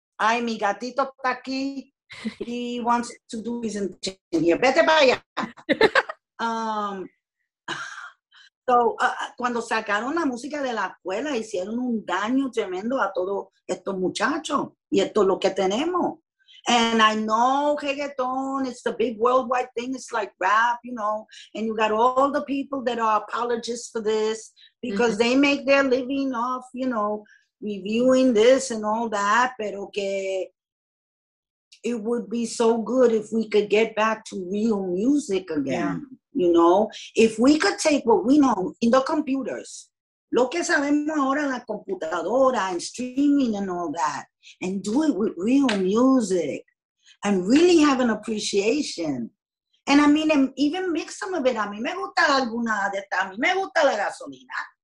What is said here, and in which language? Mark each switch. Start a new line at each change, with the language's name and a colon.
Spanish: Ay, mi gatito está aquí.
English: He wants to do his intention here.
Spanish: Vete para allá. cuando sacaron la música de la escuela, hicieron un daño tremendo a todos estos muchachos. Y esto es lo que tenemos.
English: And I know reggaeton, it's the big worldwide thing. It's like rap, you know. And you got all the people that are apologists for this because mm-hmm. they make their living off, you know, reviewing this and all that.
Spanish: Pero que
English: it would be so good if we could get back to real music again. Yeah. You know, if we could take what we know in the computers,
Spanish: lo que sabemos ahora en la computadora
English: and streaming and all that, and do it with real music and really have an appreciation. And I mean, and even mix some of it.
Spanish: A mí me gusta alguna de esta, a mí me gusta la gasolina.